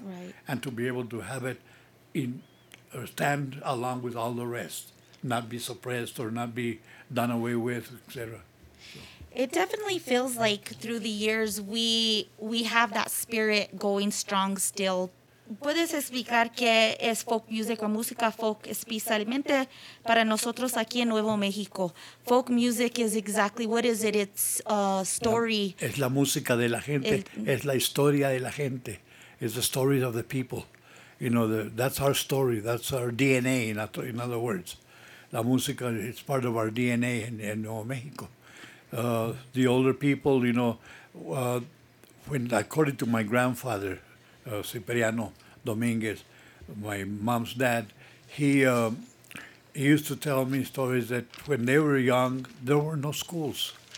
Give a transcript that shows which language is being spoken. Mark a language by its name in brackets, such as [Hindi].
[English] right. And to be able to have it in or stand along with all the rest, not be suppressed or not be done away with, et cetera. It definitely feels like through the years we have that spirit going strong still [Spanish] ¿Puedes explicar qué es folk music o música folk especialmente para nosotros aquí en Nuevo México? [English] Folk music is exactly, what is it? It's a story. [Spanish] Es la música de la gente, es la historia de la gente. [English] It's the story of the people. You know, that's our story, that's our DNA, in other words. [Spanish] La música [English] is part of our DNA in Nuevo México. The older people, you know, when according to my grandfather, Cipriano Dominguez, my mom's dad, he used to tell me stories that when they were young, there were no schools.